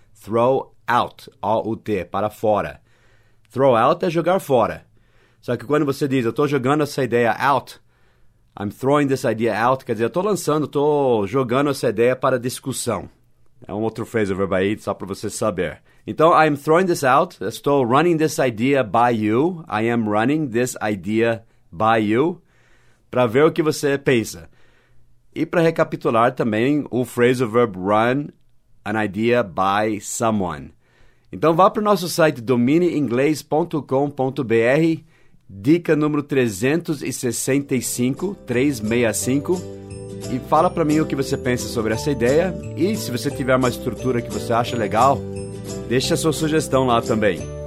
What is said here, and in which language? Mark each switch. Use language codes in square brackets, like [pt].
[pt] Throw out. O-U-T. Para fora. Throw out é jogar fora. Só que quando você diz, eu tô jogando essa ideia out, [en] I'm throwing this idea out, [pt] quer dizer, eu estou lançando, estou jogando essa ideia para discussão. É um outro phrasal verb aí, só para você saber. Então, [en] I'm throwing this out, [pt] estou [en] running this idea by you. I am running this idea by you. [pt] Para ver o que você pensa. E para recapitular também o phrasal verb [en] run an idea by someone. [pt] Então, vá para o nosso site domineinglês.com.br. Dica número 365, e fala para mim o que você pensa sobre essa ideia, e se você tiver uma estrutura que você acha legal, deixa sua sugestão lá também.